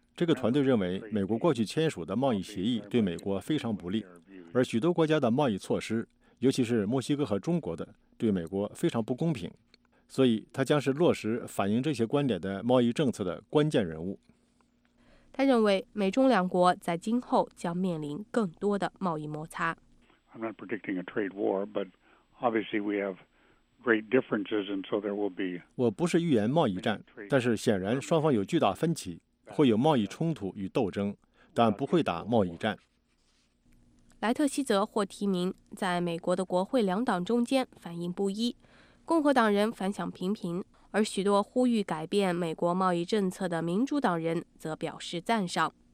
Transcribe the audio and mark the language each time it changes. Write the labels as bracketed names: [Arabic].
[Chinese] 这个团队认为，美国过去签署的贸易协议对美国非常不利，而许多国家的贸易措施，尤其是墨西哥和中国的，对美国非常不公平。所以，他将是落实反映这些观点的贸易政策的关键人物。他认为，美中两国在今后将面临更多的贸易摩擦。 [English] I'm not predicting a trade war, but obviously we have great differences, and so there will be. [Chinese] 我不是预言贸易战，但是显然双方有巨大分歧。会有贸易冲突与斗争，但不会打贸易战。莱特希泽获提名，在美国的国会两党中间反应不一，共和党人反响平平，而许多呼吁改变美国贸易政策的民主党人则表示赞赏。